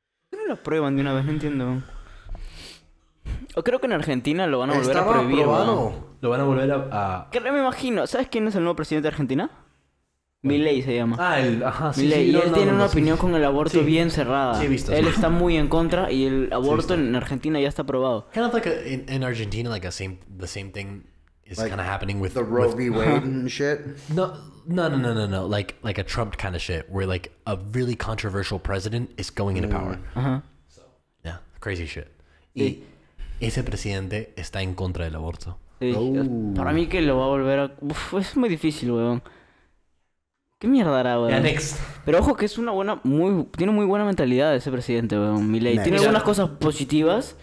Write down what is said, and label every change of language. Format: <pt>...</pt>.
<es>¿Por qué no lo prueban de una vez? No entiendo. O creo que en Argentina lo van a volver a prohibir. Estaba aprobado. Lo van a volver a... Que me imagino. ¿Sabes quién es el nuevo presidente de Argentina? Milei se llama. Ah, él. Ajá, sí, Milei. Sí, y no, él no, tiene no, una no, opinión sí, con el aborto sí, bien cerrada. Sí, he visto. Él está muy en contra y el aborto en Argentina ya está aprobado.</es> <en>Kind of like in Argentina, like the same thing is like kind of happening with... The Roe v. Wade and shit? No. Like a Trump kind of shit, where like a really controversial president is going into power.</en> <es>Ajá.</es> <en>Yeah, crazy shit.</en> <es>Y ese presidente está en contra del aborto. Para mí que lo va a volver a... Uf, es muy difícil, weón. ¿Qué mierda hará, weón?</es> <en>Yeah, next.</en> <es>Pero ojo que es una buena... Tiene muy buena mentalidad ese presidente, weón. Milei. Tiene algunas cosas positivas.</es>